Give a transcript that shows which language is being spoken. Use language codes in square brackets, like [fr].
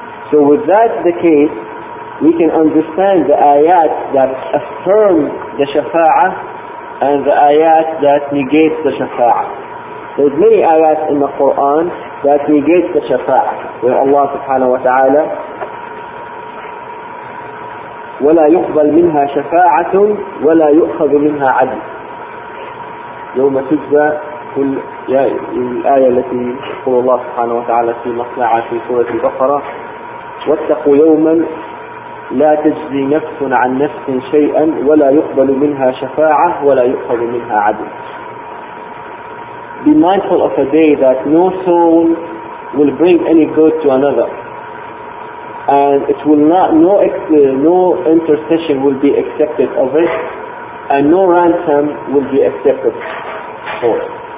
[en] So with that the case, we can understand the ayat that affirms the shafa'a and the ayat that negates the shafa'a. There's many ayats in the Quran that negates the shafa'a, where Allah subhanahu wa ta'ala [ar] ولا يقبل منها شفاعة ولا يؤخذ منها عدل يوم تجزى كل الآية التي يقول الله سبحانه وتعالى في مطلع في سورة البقرة واتقوا يوما لا تجزي نفس عن نفس شيئا ولا يقبل منها شفاعة ولا يؤخذ منها عدل. [en] Be mindful of a day that no soul will bring any good to another. And it will not, no intercession will be accepted of it, and no ransom will be accepted for it.